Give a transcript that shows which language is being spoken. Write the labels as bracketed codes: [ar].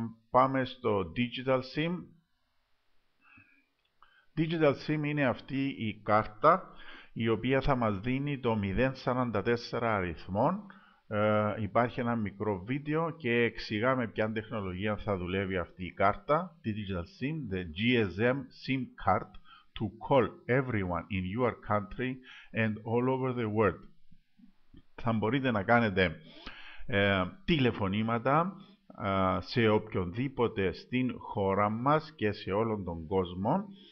[el] Πάμε στο Digital SIM. Digital SIM είναι αυτή η κάρτα η οποία θα μας δίνει το 044 αριθμών. Υπάρχει ένα μικρό βίντεο και εξηγά με ποια τεχνολογία θα δουλεύει αυτή η κάρτα. [en] Digital SIM, the GSM SIM card to call everyone in your country and all over the world. [el] Θα μπορείτε να κάνετε τηλεφωνήματα σε οποιονδήποτε στην χώρα μας και σε όλον τον κόσμο.